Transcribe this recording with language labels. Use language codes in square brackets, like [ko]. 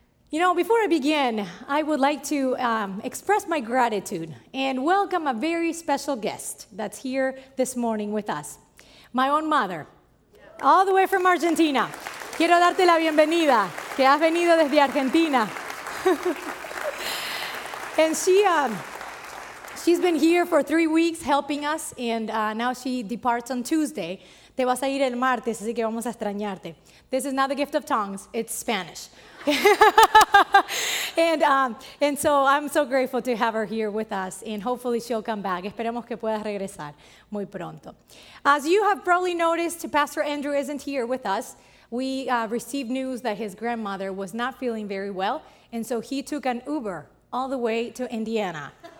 [en] You know, before I begin, I would like to express my gratitude and welcome a very special guest that's here this morning with us, my own mother, all the way from Argentina. [es] Quiero darte la bienvenida, que has venido desde Argentina. [en] And she's been here for 3 weeks helping us, and now she departs on Tuesday. [es] Te vas a ir el martes, así que vamos a extrañarte. [en] This is not the gift of tongues, it's Spanish. and so I'm so grateful to have her here with us, and hopefully she'll come back. [es] Esperemos que pueda regresar muy pronto. [en] As you have probably noticed, Pastor Andrew isn't here with us. We received news that his grandmother was not feeling very well, and so he took an Uber all the way to Indiana.